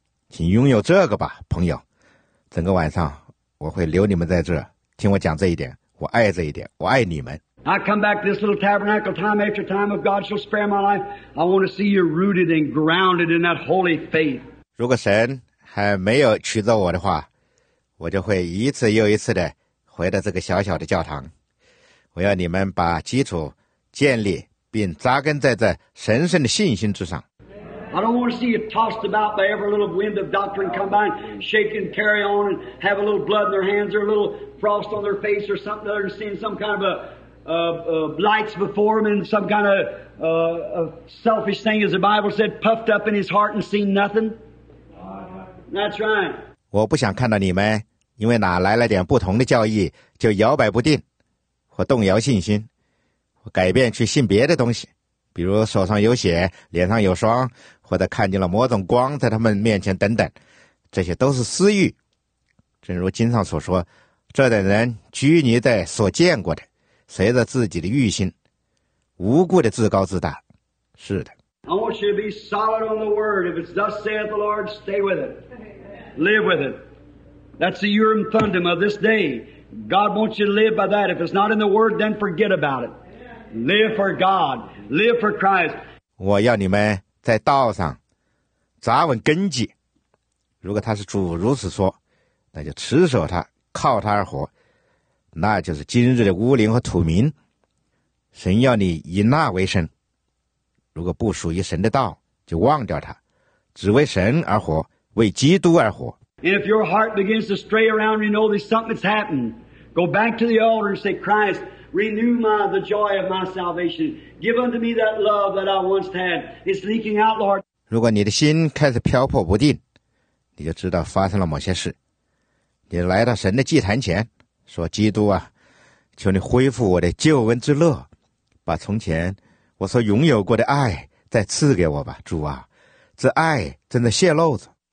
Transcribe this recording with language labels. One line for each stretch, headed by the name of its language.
Chinese: 请拥有这个吧，朋友。整个晚上我会留你们在这儿听我讲这一点，我爱这一点，我爱你们。
English: I come back to this little tabernacle time after time. If God shall spare my life, I want to see you rooted and grounded in that holy faith.
Chinese: 如果神还没有取走我的话，我就会一次又一次的回到这个小小的教堂。我要你们把基础建立并扎根在这神圣的信心之上。
English: I don't want to see you tossed about by every little wind of doctrine come by and shake and carry on and have a little blood in their hands or a little frost on their face or something other than seeing some kind of lights before them and some kind of selfish thing, as the Bible said, puffed up in his heart and seen nothing. That's right.
Chinese: 我不想看到你们因为哪来了点不同的教义就摇摆不定或动摇信心，或改变去信别的东西，比如手上有血，脸上有霜，或者看见了某种光在他们面前等等，这些都是私欲。正如经上所说，这等人拘泥在所见过的，随着自己的欲心，无故的自高自大。是的。
English: I want you to be solid on the word. If it's thus saith the Lord, stay with it. Live with it. That's the Urim Thummim of this day. God wants you to live by that. If it's not in the word, then forget about it. Live for God. Live for Christ.
Chinese: 我要你们在道上扎稳根基，如果他是主如此说，那就持守他，靠他而活，那就是今日的乌灵和土民。神要你以那为生，如果不属于神的道，就忘掉他，只为神而活，为基督而活。
English: And if your heart begins to stray around, you know there's something that's happened. Go back to the altar and say, Christ, renew the joy of my salvation. Give unto me that love that I once had. It's leaking out, Lord.
Chinese: 如果你的心开始飘泊不定，你就知道发生了某些事。你来到神的祭坛前，说：“基督啊，求你恢复我的救恩之乐，把从前我所拥有过的爱再赐给我吧，主啊，这爱正在泄露着。”